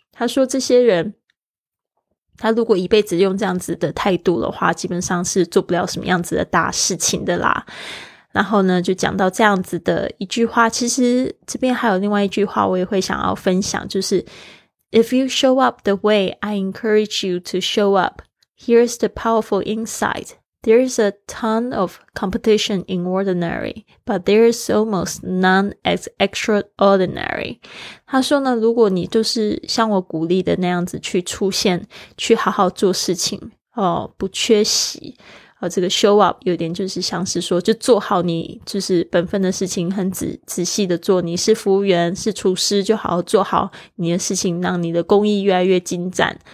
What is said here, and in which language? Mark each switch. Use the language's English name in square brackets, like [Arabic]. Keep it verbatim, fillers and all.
[Chinese] 他说这些人他如果一辈子用这样子的态度的话，基本上是做不了什么样子的大事情的啦。然后呢，就讲到这样子的一句话，其实这边还有另外一句话我也会想要分享，就是 [English] If you show up the way I encourage you to show up, here's the powerful insight. There's a ton of competition in ordinary, but there's almost none as extraordinary. [Chinese] 他说呢，如果你就是像我鼓励的那样子去出现，去好好做事情，哦，不缺席，哦，这个 show up 有点就是像是说，就做好你就是本分的事情，很仔仔细的做。你是服务员，是厨师，就好好做好你的事情，让你的工艺越来越精湛。